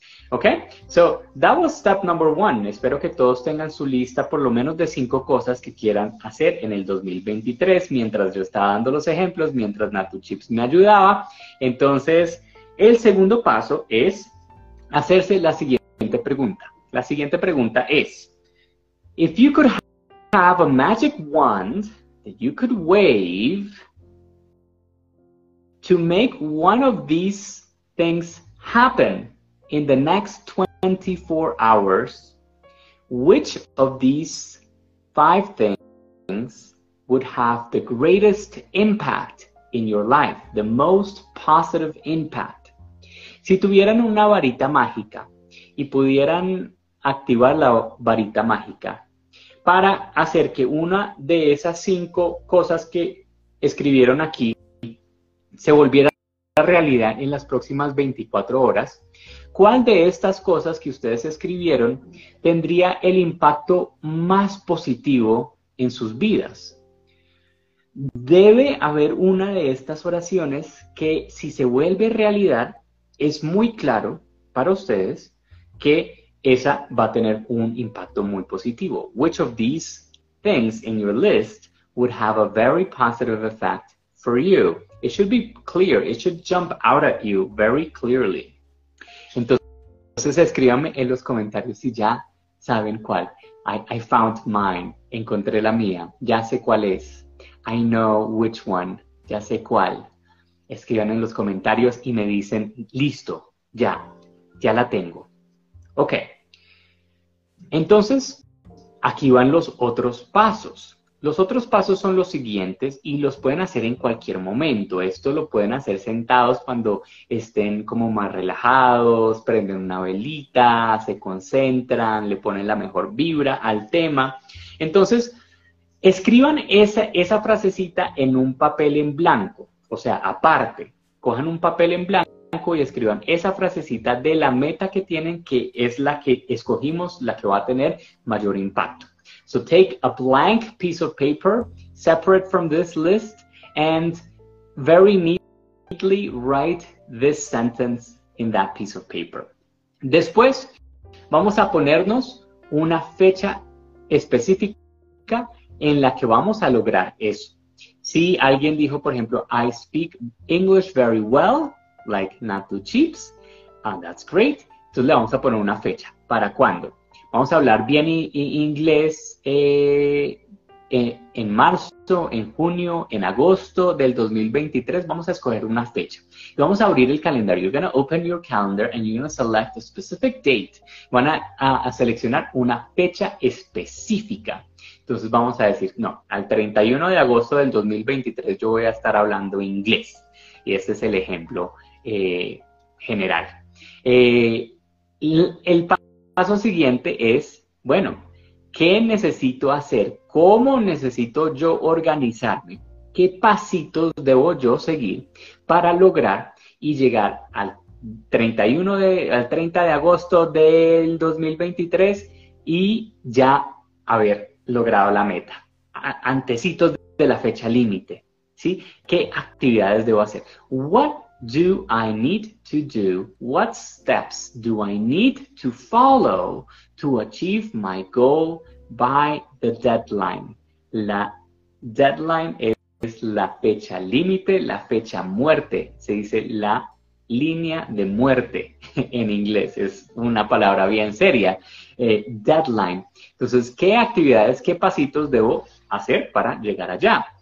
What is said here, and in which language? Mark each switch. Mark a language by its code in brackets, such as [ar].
[en] Ok, so that was step number one. [es] Espero que todos tengan su lista por lo menos de 5 cosas que quieran hacer en el 2023 mientras yo estaba dando los ejemplos, mientras NatuChips me ayudaba. Entonces, el segundo paso es hacerse la siguiente pregunta. La siguiente pregunta es: [en] If you could have a magic wand that you could wave to make one of these things happen in the next 24 hours, which of these five things would have the greatest impact in your life, the most positive impact? [es] Si tuvieran una varita mágica y pudieran activar la varita mágica para hacer que una de esas 5 cosas que escribieron aquí se volviera realidad en las próximas 24 horas, ¿cuál de estas cosas que ustedes escribieron tendría el impacto más positivo en sus vidas? Debe haber una de estas oraciones que, si se vuelve realidad, es muy claro para ustedes que esa va a tener un impacto muy positivo. [en] Which of these things in your list would have a very positive effect for you? It should be clear. It should jump out at you very clearly. [es] Entonces, escríbanme en los comentarios si ya saben cuál. [en] I found mine. [es] Encontré la mía. Ya sé cuál es. [en] I know which one. [es] Ya sé cuál. Escriban en los comentarios y me dicen, listo, Ya la tengo. Ok. Entonces, aquí van los otros pasos. Los otros pasos son los siguientes y los pueden hacer en cualquier momento. Esto lo pueden hacer sentados cuando estén como más relajados, prenden una velita, se concentran, le ponen la mejor vibra al tema. Entonces, escriban esa frasecita en un papel en blanco, o sea, aparte. Cojan un papel en blanco y escriban esa frasecita de la meta que tienen, que es la que escogimos, la que va a tener mayor impacto. [en] So take a blank piece of paper, separate from this list, and very neatly write this sentence in that piece of paper. [es] Después, vamos a ponernos una fecha específica en la que vamos a lograr eso. Si alguien dijo, por ejemplo, [en] I speak English very well, like not too cheaps, and that's great, [es] entonces le vamos a poner una fecha. ¿Para cuándo? Vamos a hablar bien inglés en marzo, en junio, en agosto del 2023. Vamos a escoger una fecha. Vamos a abrir el calendario. [en] You're going to open your calendar and you're going to select a specific date. [es] Van a seleccionar una fecha específica. Entonces vamos a decir, no, al 31 de agosto del 2023 yo voy a estar hablando inglés. Y ese es el ejemplo general. El paso siguiente es, bueno, ¿qué necesito hacer? ¿Cómo necesito yo organizarme? ¿Qué pasitos debo yo seguir para lograr y llegar al 30 de agosto del 2023 y ya haber logrado la meta? Antecitos de la fecha límite, ¿sí? ¿Qué actividades debo hacer? [en] What do I need to do? What steps do I need to follow to achieve my goal by the deadline? [es] La deadline es la fecha límite, la fecha muerte. Se dice la línea de muerte en inglés. Es una palabra bien seria. Deadline. Entonces, ¿qué actividades, qué pasitos debo hacer para llegar allá?